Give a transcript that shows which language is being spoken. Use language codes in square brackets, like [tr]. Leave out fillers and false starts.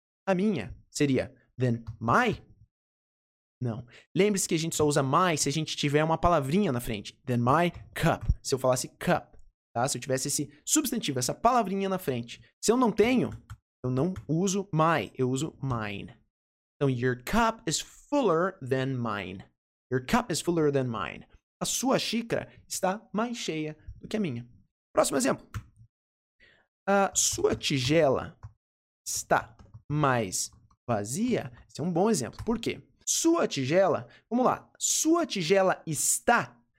[pt] A minha seria than my? Não. Lembre-se que a gente só usa my se a gente tiver uma palavrinha na frente. Than my cup. Se eu falasse cup. Tá? Se eu tivesse esse substantivo, essa palavrinha na frente. Se eu não tenho, eu não uso my, eu uso mine. [en] Então, your cup is fuller than mine. Your cup is fuller than mine. [pt] A sua xícara está mais cheia do que a minha. Próximo exemplo. A sua tigela está mais vazia? Esse é um bom exemplo. Por quê? Sua tigela, vamos lá. Sua tigela está...